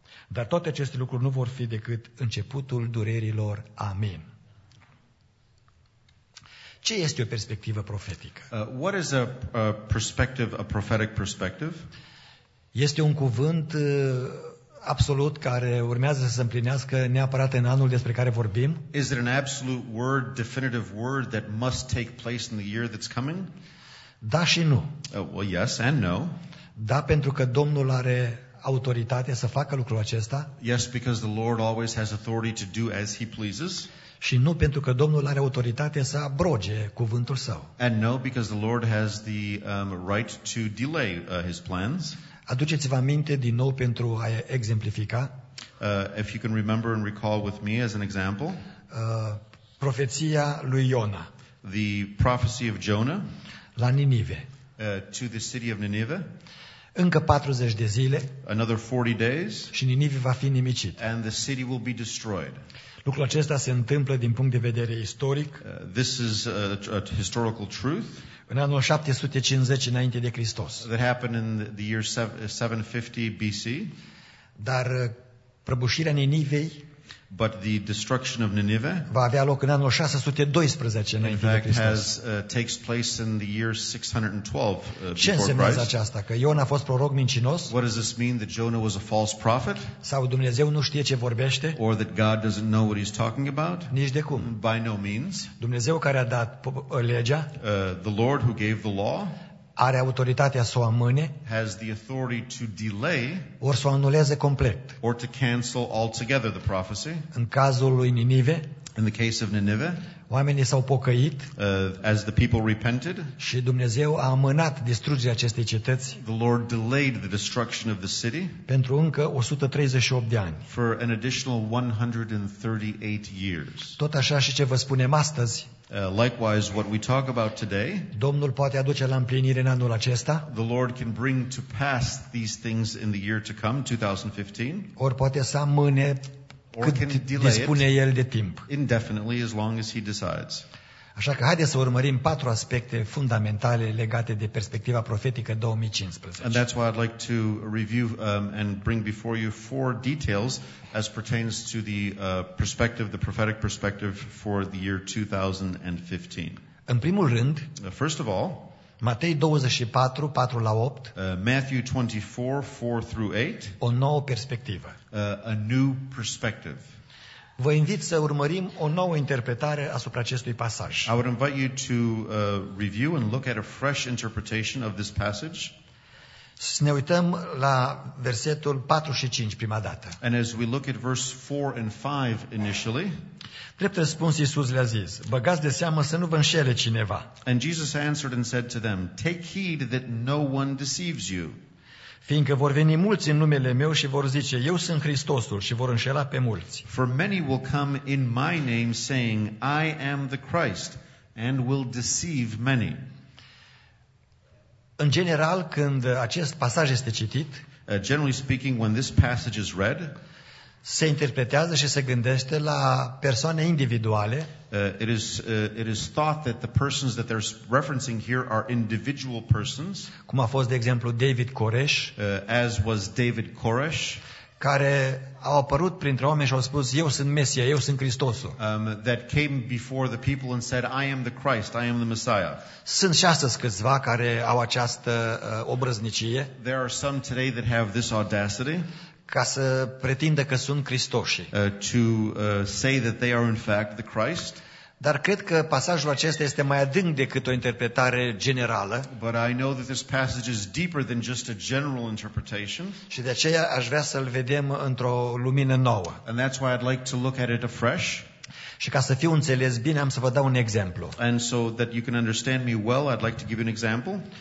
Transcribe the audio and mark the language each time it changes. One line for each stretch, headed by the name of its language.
Romanian: Dar toate aceste lucruri nu vor fi decât începutul durerilor. Amin. Ce este o perspectivă profetică?
English: What is a perspective, a prophetic perspective?
Romanian: Este un cuvânt absolut care urmează să se împlinească neapărat în anul despre care vorbim?
English: Is it an absolute word, definitive word that must take place in the year that's coming?
Romanian: Da și nu.
English: Well, yes and no.
Romanian: Da, pentru că Domnul are autoritate să facă lucrul acesta.
English: Yes, because the Lord always has authority to do as he pleases.
Romanian: Și nu pentru că Domnul are autoritate să abroge cuvântul său.
English: And no, because the Lord has the right to delay his plans.
Romanian: Aduceți-vă aminte din nou pentru a exemplifica.
English: If you can remember and recall with me as an example.
Romanian: Profeția lui Iona.
English: The prophecy of Jonah.
Romanian: La Ninive.
English: To the city of Nineveh.
Romanian: Încă 40 de zile.
English: Another 40 days.
Romanian: Și Ninive va fi nimicit.
English: And the city will be destroyed.
Romanian: Lucrul acesta se întâmplă din punct de vedere istoric.
English: This is a historical truth.
Romanian: În anul 750 înainte de Hristos.
English: That happened in the year 750 BC.
Romanian: Dar Prăbușirea Ninivei.
English: But the destruction of Nineveh.
Romanian: Va avea loc în anul 612 înainte de Hristos.
English: Takes place in the year 612 before
Romanian: Christ. Ce înseamnă aceasta? Că Iona a fost proroc mincinos?
English: What does this mean, that Jonah was a false prophet?
Romanian: Sau Dumnezeu nu știe ce vorbește?
English: Or that God doesn't know what he's talking about?
Romanian: Nici de cum.
English: By no means.
Romanian: Dumnezeu care a dat legea?
English: The Lord who gave the law.
Romanian: Are autoritatea să o amâne,
English: has the authority to delay,
Romanian: or să o anuleze complet,
English: or to cancel altogether the prophecy.
Romanian: În cazul lui Ninive,
English: in the case of Nineveh,
Romanian: oamenii s-au pocăit,
English: as the people repented,
Romanian: și Dumnezeu a amânat distrugerea acestei cetăți,
English: the Lord delayed the destruction of the city,
Romanian: pentru încă 138 de ani,
English: for an additional 138 years.
Romanian: Tot așa și ce vă spunem astăzi.
English: Likewise, what we talk about today,
Romanian: Domnul poate aduce la împlinire în anul acesta,
English: the Lord can bring to pass these things in the year to come, 2015,
Romanian: or poate să amâne cât dispune El de timp,
English: indefinitely, as long as He decides.
Romanian: Așa că haideți să urmărim patru aspecte fundamentale legate de perspectiva profetică 2015.
English: And that's why I'd like to review and bring before you four details as pertains to the perspective, the prophetic perspective for the year 2015.
Romanian: În primul rând,
English: first of all,
Romanian: Matei 24, 4 la 8,
English: Matthew 24, 4 through 8,
Romanian: o nouă perspectivă.
English: A new perspective.
Romanian: Vă invit să urmărim o nouă interpretare asupra acestui pasaj.
English: I would invite you to review and look at a fresh interpretation of this passage.
Romanian: Să ne uităm la versetul 4 și 5 prima dată.
English: And as we look at verse 4 and 5 initially.
Romanian: Drept răspuns Iisus le-a zis: băgați de seamă să nu vă înșele cineva.
English: And Jesus answered and said to them, take heed that no one deceives you.
Romanian: Fiindcă vor veni mulți în numele meu și vor zice: eu sunt Hristosul, și vor înșela pe mulți.
English: For many will come in my name saying, I am the Christ, and will deceive many.
Romanian: În general, când acest pasaj este citit,
English: generally speaking, when this passage is read,
Romanian: se interpretează și se gândește la persoane individuale.
English: It is thought that the persons that they're referencing here are individual persons.
Romanian: Cum a fost, de exemplu, David Koresh.
English: As was David Koresh.
Romanian: Care au apărut printre oameni și au spus: eu sunt Mesia, eu sunt Hristosul.
English: That came before the people and said, I am the Christ, I am the Messiah.
Romanian: Sunt și astăzi câțiva care au această obrăznicie.
English: There are some today that have this audacity.
Romanian: Ca să pretindă că sunt Hristoși.
English: Say that they are in fact the Christ.
Romanian: Dar cred că pasajul acesta este mai adânc decât o interpretare generală.
English: But I know that this passage is deeper than just a general interpretation.
Romanian: Și de aceea aș vrea să-l vedem într-o lumină nouă.
English: And that's why I'd like to look at it afresh.
Romanian: Și ca să fiu înțeles bine, am să vă dau un exemplu.
English: And so that you can understand me well, I'd like to give you an example.